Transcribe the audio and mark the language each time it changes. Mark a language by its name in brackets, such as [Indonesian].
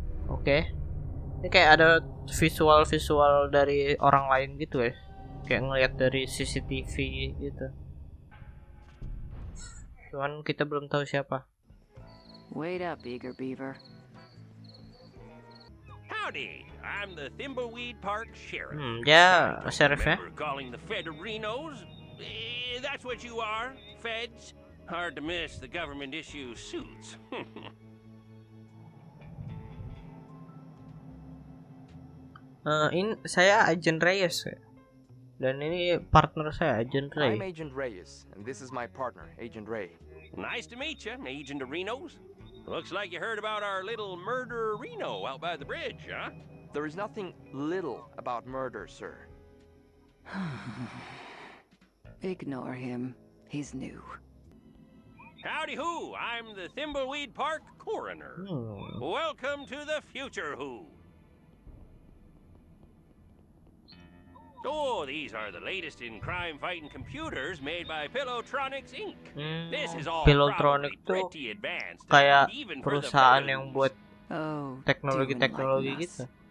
[Indonesian] Oke, ini kayak ada visual-visual dari orang lain gitu ya? Kayak ngeliat dari CCTV gitu. Cuman kita belum tahu siapa. [English] Wait up, eager beaver. Howdy, I'm the Thimbleweed Park Sheriff. [Indonesian] Ya, sheriff ya. [English] Calling the Federinos? That's what you are, feds. Hard to miss the government issue suits. [Indonesian] Saya Agent Reyes. Dan ini partner saya, Agent Ray. [English] I'm Agent Reyes, and this is my partner, Agent Ray. Nice to meet you, Agent Arenos. Looks like you heard about our little murder Reno out by the bridge, huh? There is nothing little about murder, sir. Ignore him. He's new. Howdy who, I'm the Thimbleweed Park Coroner. Oh. Welcome to the future who. Oh, these are the latest in crime-fighting computers made by Pillowtronics Inc. This is all Pillowtronics pretty advanced. [Indonesian] Kayak even perusahaan yang buat teknologi-teknologi gitu.